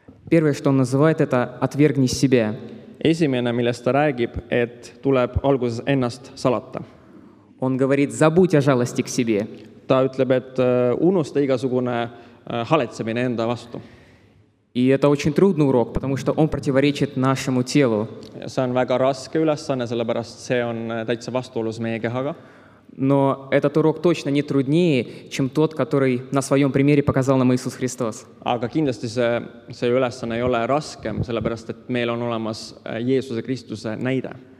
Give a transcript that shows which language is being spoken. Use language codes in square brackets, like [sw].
[ru] Первое, что он называет, это «отвергни себя». [et] Esimene, millest ta räägib, et tuleb alguses ennast salata. [ru] Он говорит: «Забудь о жалости к себе». [et] Ta ütleb, et unusta igasugune haletsemine enda vastu. [ru] И это очень трудный урок, потому что он противоречит нашему телу. [et] Ja see on väga raske ülesanne, sellepärast see on täitsa vastuolus meie kehaga. [ru] Но этот урок точно не труднее, чем тот, который на своем примере показал нам Иисус Христос. [et] Aga kindlasti see ülesanne ei ole raskem, sellepärast, et meil on olemas Jeesuse Kristuse näide.